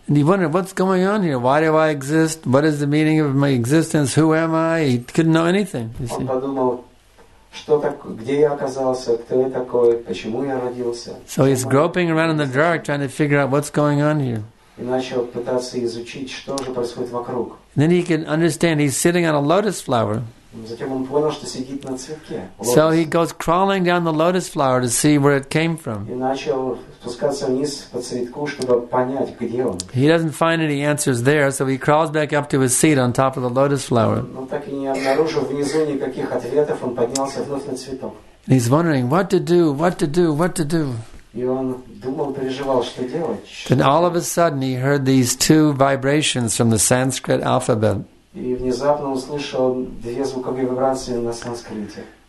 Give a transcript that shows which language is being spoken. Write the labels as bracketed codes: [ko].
[en] And he wondered, what's going on here? Why do I exist? What is the meaning of my existence? Who am I? He couldn't know anything. You see. [ru] Он подумал. Что так, где я оказался, кто я такой, почему я родился? [en] So he's groping around in the dark, trying to figure out what's going on here. [ru] И начал пытаться изучить, что же происходит вокруг. [en] And then he can understand he's sitting on a lotus flower. [ru] Затем он понял, что сидит на цветке. [en] So he goes crawling down the lotus flower to see where it came from. [ru] И начал спускаться вниз по цветку, чтобы понять, где он. [en] He doesn't find any answers there, so he crawls back up to his seat on top of the lotus flower. [ru] Но так и не обнаружив внизу никаких ответов, он поднялся вновь на цветок. [en] And he's wondering what to do, what to do, what to do. [ru] И он думал, переживал, что делать. [en] Then all of a sudden he heard these two vibrations from the Sanskrit alphabet. [ru] И внезапно услышал две звуковые вибрации на санскрите.